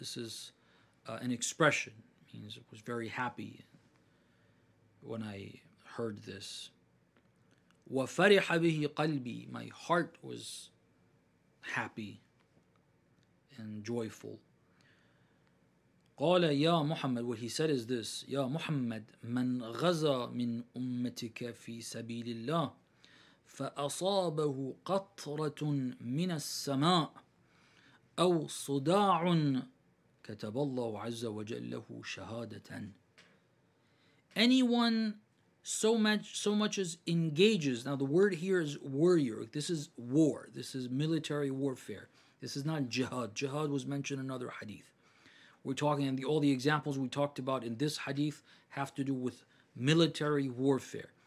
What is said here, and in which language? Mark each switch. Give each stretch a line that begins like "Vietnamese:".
English: This is an expression, it means I was very happy when I heard this.
Arabic: وفرح به قلبي,
English: my heart was happy and joyful.
Arabic: قال يا محمد,
English: what he said is this,
Arabic: يا محمد من غزا من أمتك في سبيل الله فأصابه قطرة من السماء أو صداع كتب الله عز وجل له شهادة.
English: Anyone so much as engages. Now the word here is warrior. This is war. This is military warfare. This is not jihad. Jihad was mentioned in another hadith. We're talking, and all the examples we talked about in this hadith have to do with military warfare.